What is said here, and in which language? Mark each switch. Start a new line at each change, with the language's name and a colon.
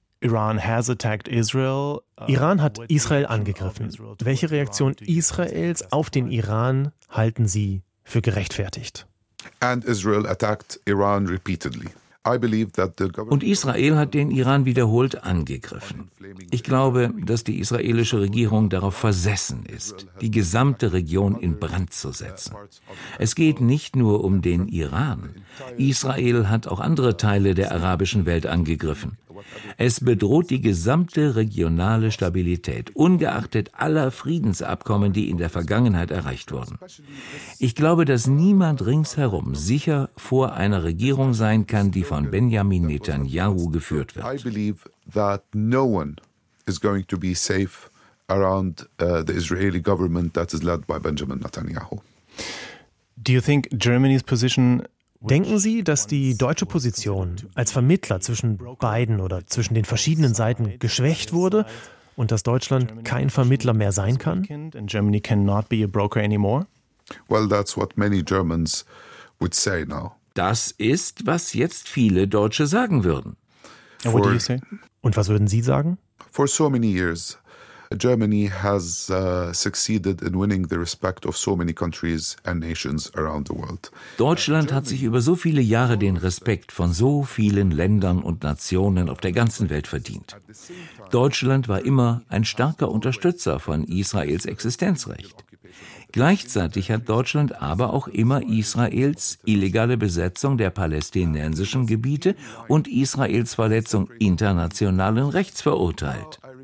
German: Iran hat Israel angegriffen. Welche Reaktion Israels auf den Iran halten Sie für gerechtfertigt?
English: And Israel attacked Iran repeatedly.
German: Und Israel hat den Iran wiederholt angegriffen. Ich glaube, dass die israelische Regierung darauf versessen ist, die gesamte Region in Brand zu setzen. Es geht nicht nur um den Iran. Israel hat auch andere Teile der arabischen Welt angegriffen. Es bedroht die gesamte regionale Stabilität, ungeachtet aller Friedensabkommen, die in der Vergangenheit erreicht wurden. Ich glaube, dass niemand ringsherum sicher vor einer Regierung sein kann, die von Benjamin Netanyahu geführt wird.
English: I believe that no one is going to be safe around the Israeli government that is led by Benjamin Netanyahu. Do you think Germany's position?
German: Denken Sie, dass die deutsche Position als Vermittler zwischen beiden oder zwischen den verschiedenen Seiten geschwächt wurde und dass Deutschland kein Vermittler mehr sein kann?
English: Germany cannot be a broker anymore. Well, that's what many Germans would say now.
German: Das ist, was jetzt viele Deutsche sagen würden.
English: What do you say?
German: Und was würden Sie sagen?
English: For so many years, Germany has succeeded in winning the respect of so many countries and nations around the world.
German: Deutschland hat sich über so viele Jahre den Respekt von so vielen Ländern und Nationen auf der ganzen Welt verdient. Deutschland war immer ein starker Unterstützer von Israels Existenzrecht. Gleichzeitig hat Deutschland aber auch immer Israels illegale Besetzung der palästinensischen Gebiete und Israels Verletzung internationalen Rechts verurteilt.